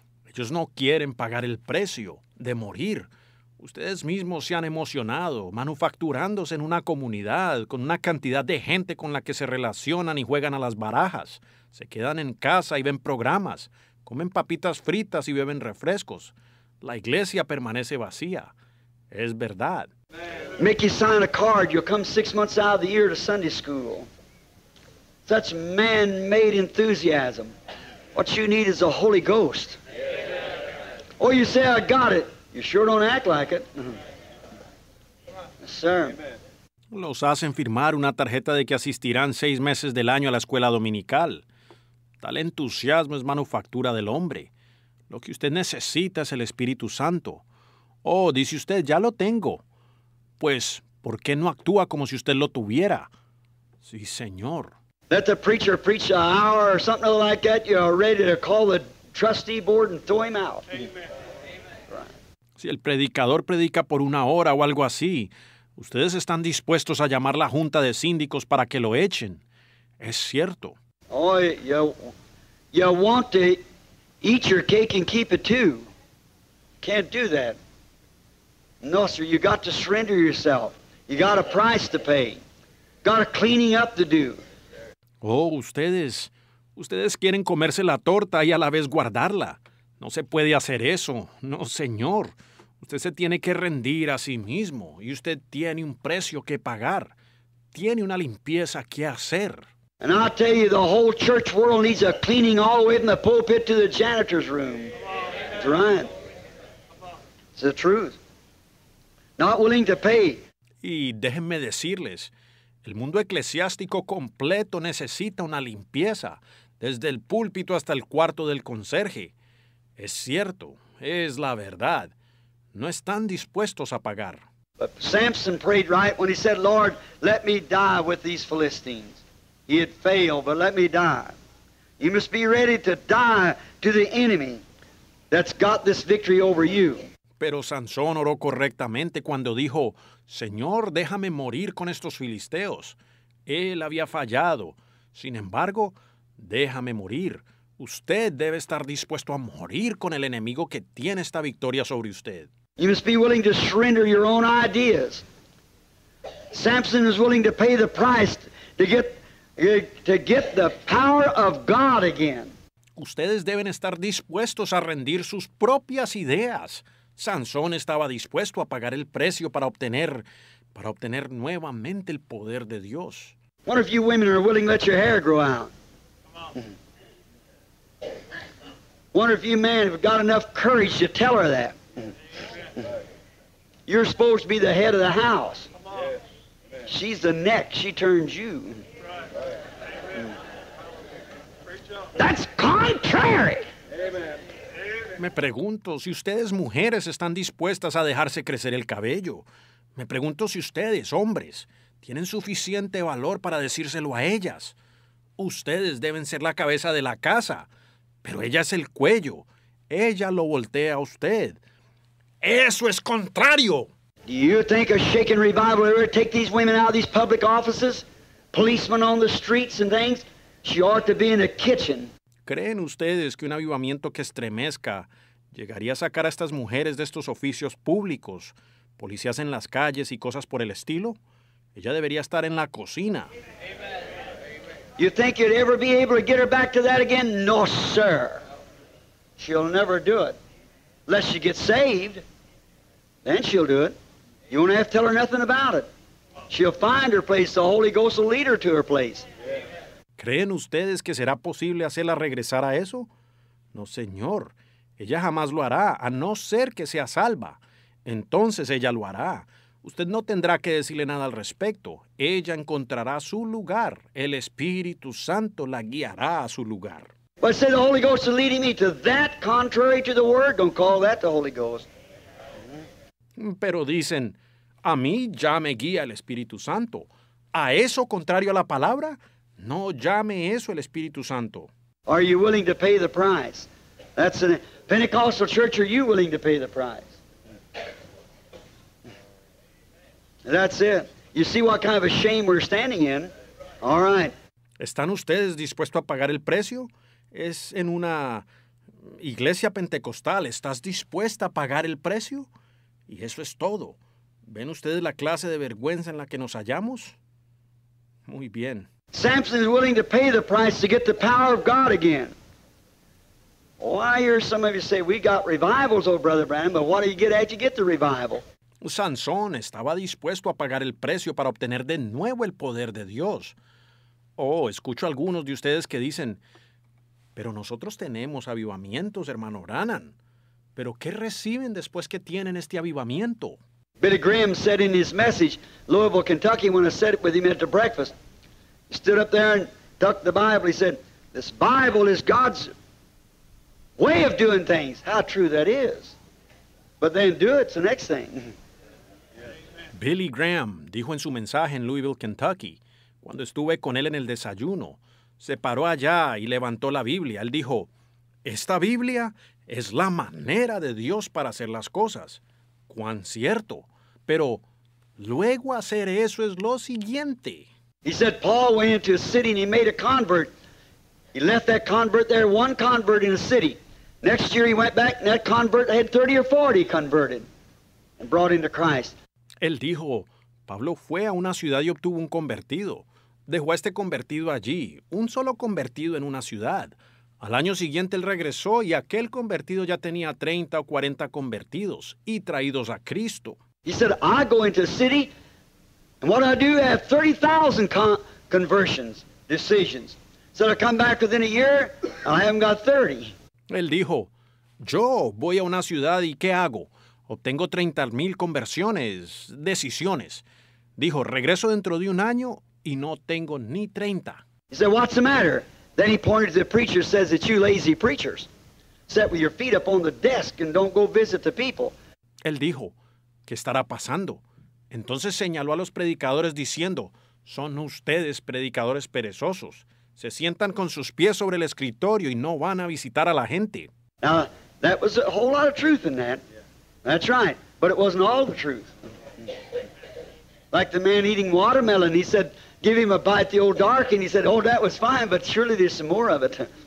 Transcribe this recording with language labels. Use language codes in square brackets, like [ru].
[es] Ellos no quieren pagar el precio de morir. Ustedes mismos se han emocionado, manufacturándose en una comunidad con una cantidad de gente con la que se relacionan y juegan a las barajas. Se quedan en casa y ven programas, comen papitas fritas y beben refrescos. La iglesia permanece vacía. Es verdad. [en] Make you sign a card, you'll come 6 months out of the year to Sunday school. Such man-made enthusiasm. What you need is the Holy Ghost. Oh, you say, I got it. You sure don't act like it. Yes, sir. [es] Los hacen firmar una tarjeta de que asistirán 6 meses del año a la escuela dominical. Tal entusiasmo es manufactura del hombre. Lo que usted necesita es el Espíritu Santo. Oh, dice usted, ya lo tengo. Pues, ¿por qué no actúa como si usted lo tuviera? Sí, señor. [en] Let the preacher preach an hour or something like that. You're ready to call the trustee board and throw him out. Amen. [es] Si el predicador predica por una hora o algo así, ustedes están dispuestos a llamar la junta de síndicos para que lo echen. Es cierto. [en] Oh, you want to eat your cake and keep it too. Can't do that. No, sir, you got to surrender yourself. You got a price to pay. Got a cleaning up to do. [es] Oh, ustedes quieren comerse la torta y a la vez guardarla. No se puede hacer eso. No, señor. Usted se tiene que rendir a sí mismo y usted tiene un precio que pagar. Tiene una limpieza que hacer. [en] And I tell you, the whole church world needs a cleaning all the way from the pulpit to the janitor's room. That's right. It's the truth. Not willing to pay. [es] Y déjenme decirles, el mundo eclesiástico completo necesita una limpieza, desde el púlpito hasta el cuarto del conserje. Es cierto, es la verdad. No están dispuestos a pagar. [en] But Samson prayed right when he said, Lord, let me die with these Philistines. He had failed, but let me die. You must be ready to die to the enemy that's got this victory over you. [es] Pero Sansón oró correctamente cuando dijo, Señor, déjame morir con estos filisteos. Él había fallado. Sin embargo, déjame morir. Usted debe estar dispuesto a morir con el enemigo que tiene esta victoria sobre usted. [en] You must be willing to surrender your own ideas. Samson is willing to pay the price to get the power of God again. [es] Ustedes deben estar dispuestos a rendir sus propias ideas. Sansón estaba dispuesto a pagar el precio para obtener nuevamente el poder de Dios. [en] What if you women are willing to let your hair grow out? What if you men have got enough courage to tell her that? You're supposed to be the head of the house. She's the neck. She turns you. That's contrary. [es] Me pregunto si ustedes mujeres están dispuestas a dejarse crecer el cabello. Me pregunto si ustedes, hombres, tienen suficiente valor para decírselo a ellas. Ustedes deben ser la cabeza de la casa, pero ella es el cuello. Ella lo voltea a usted. ¡Eso es contrario! [en] Do you think a shaking revival ever take these women out of these public offices? Policemen on the streets and things? She ought to be in the kitchen. [es] ¿Creen ustedes que un avivamiento que estremezca llegaría a sacar a estas mujeres de estos oficios públicos, policías en las calles y cosas por el estilo? Ella debería estar en la cocina. [en] You think you'd ever be able to get her back to that again? No, sir. She'll never do it. Unless she gets saved, then she'll do it. You won't have to tell her nothing about it. She'll find her place. The Holy Ghost will lead her to her place. [es] ¿Creen ustedes que será posible hacerla regresar a eso? No, señor. Ella jamás lo hará, a no ser que sea salva. Entonces ella lo hará. Usted no tendrá que decirle nada al respecto. Ella encontrará su lugar. El Espíritu Santo la guiará a su lugar. [en] But say the Holy Ghost is leading me to that contrary to the word. Don't call that the Holy Ghost. [es] Pero dicen, a mí ya me guía el Espíritu Santo. ¿A eso contrario a la palabra? No llame eso el Espíritu Santo. [en] Are you willing to pay the price? That's a Pentecostal church, are you willing to pay the price? That's it. You see what kind of a shame we're standing in. All right. [es] ¿Están ustedes dispuestos a pagar el precio? Es en una iglesia pentecostal. ¿Estás dispuesta a pagar el precio? Y eso es todo. ¿Ven ustedes la clase de vergüenza en la que nos hallamos? Muy bien. [en] Samson is willing to pay the price to get the power of God again. Why hear some of you say, we got revivals, old brother Branham, but what do you get after you get the revival? [es] Sansón estaba dispuesto a pagar el precio para obtener de nuevo el poder de Dios. Oh, escucho a algunos de ustedes que dicen, pero nosotros tenemos avivamientos, hermano Branham. ¿Pero qué reciben después que tienen este avivamiento? [en] Billy Graham said in his message, Louisville, Kentucky, when I sat with him at the breakfast, he stood up there and tucked the Bible. He said, this Bible is God's way of doing things. How true that is. But then do it's the next thing. [es] Billy Graham dijo en su mensaje en Louisville, Kentucky, cuando estuve con él en el desayuno, se paró allá y levantó la Biblia. Él dijo, esta Biblia es la manera de Dios para hacer las cosas. ¡Cuán cierto! Pero luego hacer eso es lo siguiente. [en] He said Paul went into a city and he made a convert. He left that convert there, one convert in a city. Next year he went back and that convert had 30 or 40 converted and brought into Christ. [es] Él dijo, Pablo fue a una ciudad y obtuvo un convertido. Dejó a este convertido allí, un solo convertido en una ciudad. Al año siguiente él regresó y aquel convertido ya tenía 30 o 40 convertidos y traídos a Cristo. [en] He said, I go into a city and what I do, I have 30,000 conversions, decisions. So I come back within a year, I haven't got 30. [es] Él dijo, yo voy a una ciudad y ¿qué hago? Obtengo 30,000 conversiones, decisiones. Dijo, regreso dentro de un año y no tengo ni 30. [en] He said, what's the matter? Then he pointed to the preacher and says that you lazy preachers sit with your feet up on the desk and don't go visit the people. [es] Él dijo, ¿qué estará pasando? Entonces señaló a los predicadores diciendo, son ustedes predicadores perezosos. Se sientan con sus pies sobre el escritorio y no van a visitar a la gente. [en] Now, that was a whole lot of truth in that. That's right. But it wasn't all the truth. Like the man eating watermelon, he said, give him a bite at the old dark, and he said, oh, that was fine, but surely there's some more of it.